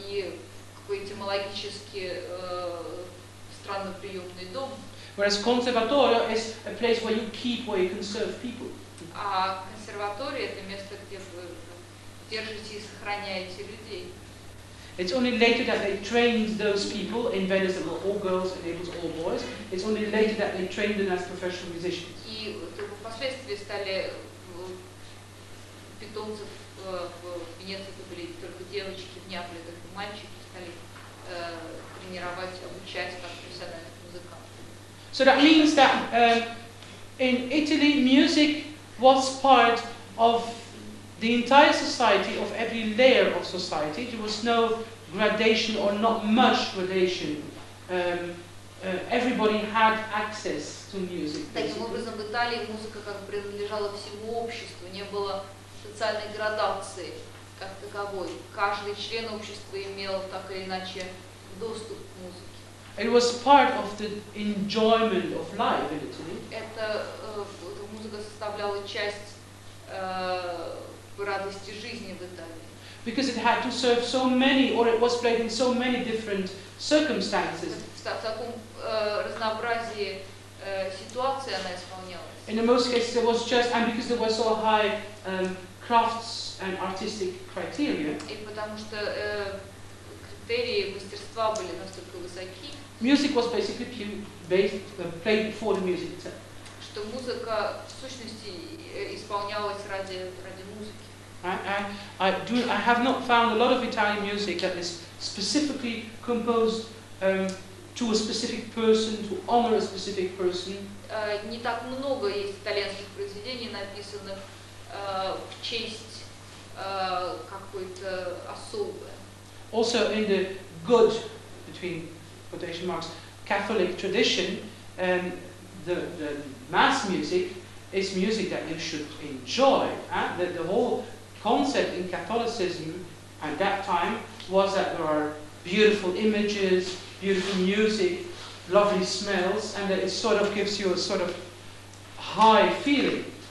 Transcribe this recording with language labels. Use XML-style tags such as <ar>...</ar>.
<ru>И какой этимологически странно приемный дом.</ru> <en>Whereas conservatorio is a place where you keep, where you conserve people.</en> <ru>А консерватория это место, где вы держите и сохраняете людей.</ru> <en>It's only later that they trained those people in Venice, that were all girls and Naples, all boys. It's only later that they trained them as professional musicians.</en> <ru>И только впоследствии стали питомцев в Венеции это были только девочки, в Неаполе только мальчики стали тренировать, обучать как профессиональных музыкантов.</ru> <en>So that means that in Italy, music was part of the entire society, of every layer of society. There was no gradation or not much gradation. Everybody had access to music.</en> <ru>Таким образом, в Италии музыка как принадлежала всему обществу. Не было социальной градации как таковой. Каждый член общества имел так или иначе доступ к музыке.</ru> <en>It was part of the enjoyment of life in Italy.</en> <ru>Эта музыка составляла часть радости жизни в Италии.</ru> <en>Because it had to serve so many, or it was played in so many different circumstances.</en> <ru>В таком разнообразии ситуации она исполнялась.</ru> <en>In the most cases, it was just, and because there were so high crafts and artistic criteria.</en> <ru>И потому что критерии мастерства были настолько высоки.</ru> <en>Music was basically played for the music itself.</en> <ru>Что музыка в сущности исполнялась ради музыки.</ru> <en>I have not found a lot of Italian music that is specifically composed to a specific person, to honor a specific person.</en> <ru>Не так много есть итальянских произведений, написанных в честь какой-то особы.</ru> <en>Also, in the good, between quotation marks, Catholic tradition, the mass music is music that you should enjoy. The whole concept in Catholicism at that time was that there are beautiful images, beautiful music, lovely smells, and that it sort of gives you a sort of high feeling.</en>